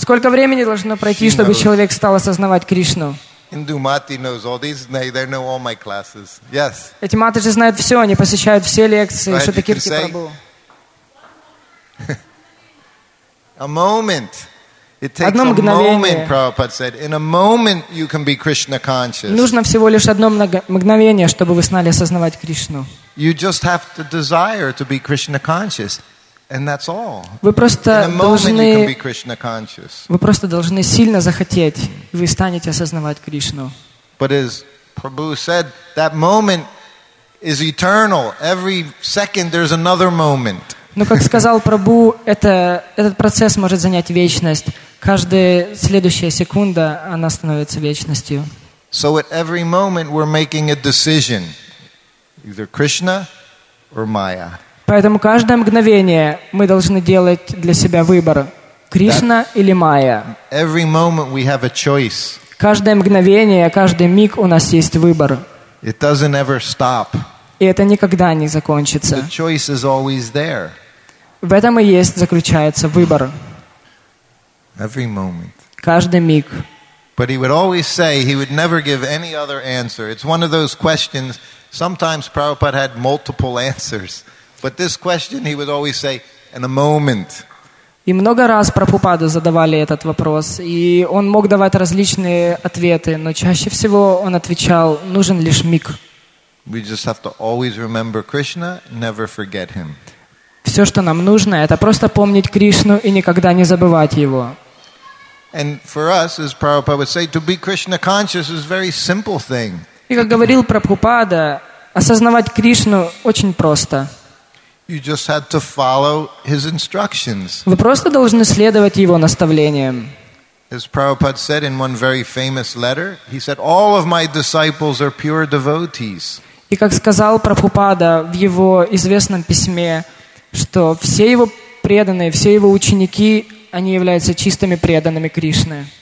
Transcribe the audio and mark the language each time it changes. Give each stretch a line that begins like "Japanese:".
Russian: Сколько времени должно пройти,
English: She
Russian: чтобы
English: knows.
Russian: Человек стал осознавать Кришну?
English: Индумати knows all these. They know all my classes. Yes.
Russian: Эти маты же знают все, они посещают все лекции, что такие Прабху.
English: A moment. It takes a moment, Prabhupada said. In a moment, you can be Krishna conscious.
Russian: Нужно всего лишь одно мгновение, чтобы вы стали осознавать Кришну.
English: You just have to desire to be Krishna conscious, and that's all.
Russian: Вы просто должны.
English: In a moment, you can be Krishna conscious.
Russian: Вы просто должны сильно захотеть, и вы станете осознавать Кришну.
English: But as Prabhu said, that moment is eternal. Every second, there's another moment.
Russian: Но, как сказал Прабху, этот процесс может занять вечность. Каждая следующая секунда, она становится вечностью.
English: So at every moment we're making a decision. Either Krishna or Maya.
Russian: Поэтому каждое мгновение мы должны делать для себя выбор. Кришна или Майя.
English: Every moment we have a choice.
Russian: Каждое мгновение, каждый миг у нас есть выбор.
English: It doesn't ever stop.
Russian: И это никогда не закончится.
English: The choice is always there.
Russian: В этом и есть заключается выбор.
English: Every moment.
Russian: Каждый миг.
English: But he would always say he would never give any other answer. It's one of those questions. Sometimes Prabhupada had multiple answers, but this question he would always say in a moment.
Russian: И много раз Прабхупаду задавали этот вопрос, и он мог давать различные ответы, но чаще всего он отвечал: нужен лишь миг.
English: We just have to always remember Krishna, never forget him.
Russian: Все, что нам нужно, это просто помнить Кришну и никогда не забывать Его.
English: And for us, as Prabhupada would say, to be Krishna conscious is a very simple thing.
Russian: И как говорил Прабхупада, осознавать Кришну очень просто.
English: You just had to follow his instructions.
Russian: Вы просто должны следовать его наставлениям.
English: As Prabhupada said in one very famous letter, he said, "All of my disciples are pure devotees."
Russian: И как сказал Прабхупада в его известном письме, что все его преданные, все его ученики, они являются чистыми преданными Кришны.